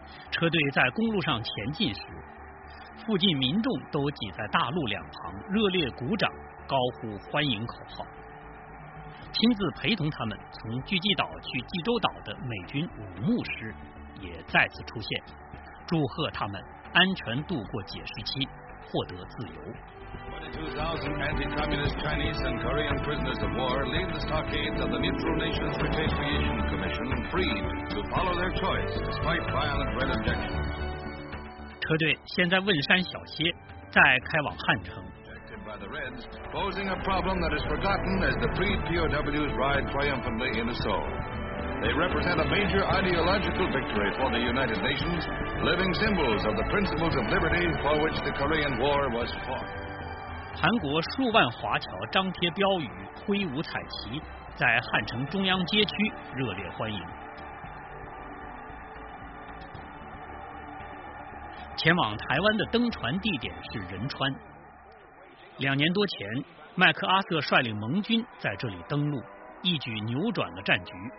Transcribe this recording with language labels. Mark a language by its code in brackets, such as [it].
[zh] 车队在公路上前进时，附近民众都挤在大路两旁，热烈鼓掌，高呼欢迎口号。亲自陪同他们从巨济岛去济州岛的美军五牧师也再次出现，祝贺他们安全度过解释期，获得自由。 [en] 22,000 anti-communist Chinese and Korean prisoners of war leave the stockades of the Neutral Nations Repatriation Commission free to follow their choice despite violent red objections. [zh] 车队先在汶山小歇，再开往汉城。 [en] Rejected by the Reds, posing a problem that is forgotten as the freed POWs ride triumphantly into Seoul. They represent a major ideological victory for the United Nations, living symbols of the principles of liberty for which the Korean War was fought. [zh] 韩国数万华侨张贴标语，挥舞彩旗，在汉城中央街区热烈欢迎。前往台湾的登船地点是仁川。2年多前，麦克阿瑟率领盟军在这里登陆，一举扭转了战局。